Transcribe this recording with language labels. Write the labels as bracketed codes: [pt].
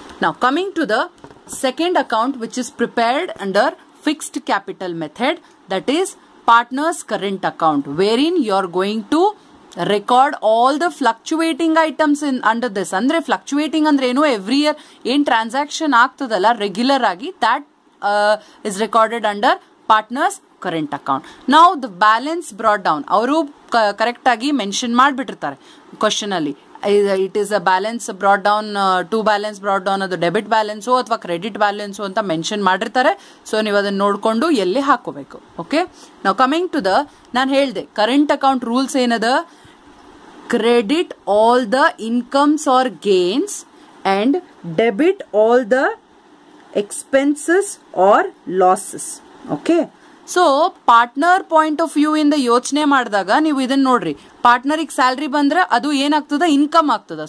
[kn] ನಾವು [en] Coming to the second account which is prepared under fixed capital method, that is partners current account, where in you are going to record all the fluctuating items in under this. [kn] ಅಂದ್ರೆ fluctuating ಅಂದ್ರೆ ಏನು, every year ಏನ್ transaction ಆಗ್ತದಲ್ಲ regular ಆಗಿ, [en] That is recorded under partners current account. Now the balance brought down, [kn] ಅವರು correct ಆಗಿ mention ಮಾಡಿಬಿಟ್ಟಿರ್ತಾರೆ question ಅಲ್ಲಿ, [en] it is a balance brought down [kn] to balance brought down ಅದು ಡೆಬಿಟ್ ಬ್ಯಾಲೆನ್ಸು ಅಥವಾ credit balance ಅಂತ mention ಮಾಡಿರ್ತಾರೆ. So ನೀವು ಅದನ್ನು ನೋಡಿಕೊಂಡು ಎಲ್ಲಿ ಹಾಕೋಬೇಕು. [en] okay, ನಾವು coming to the, [kn] ನಾನು ಹೇಳಿದೆ [en] current account rules [kn] ಏನದ, [en] Credit all the incomes or gains and debit all the expenses or losses. [kn] Okay, so partner point of view ಇಂದ ಯೋಚನೆ ಮಾಡಿದಾಗ ನೀವು ಇದನ್ನ ನೋಡ್ರಿ, ಪಾರ್ಟ್ನರಿಗೆ ಸ್ಯಾಲ್ರಿ ಬಂದ್ರೆ ಅದು ಏನಾಗ್ತದೆ, ಇನ್ಕಮ್ ಆಗ್ತದೆ.